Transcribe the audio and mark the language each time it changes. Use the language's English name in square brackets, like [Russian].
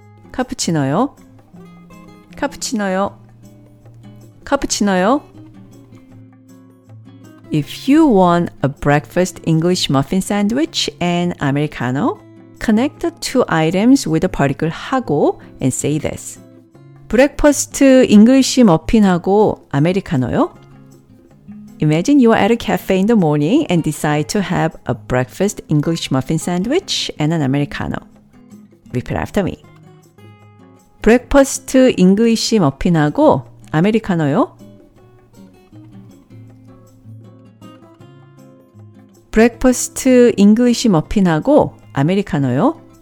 [Korean] 카푸치노요. 카푸치노요. 카푸치노요. [English] If you want a breakfast English muffin sandwich and Americano, connect the 2 items with the particle 하고 and say this. [Korean] 브렉퍼스트 잉글리시 머핀하고 아메리카노요? [English] Imagine you are at a cafe in the morning and decide to have a breakfast English muffin sandwich and an Americano. Repeat after me. [Korean] 브렉퍼스트 잉글리시 머핀하고 아메리카노요. 브렉퍼스트 잉글리시 머핀하고 아메리카노요.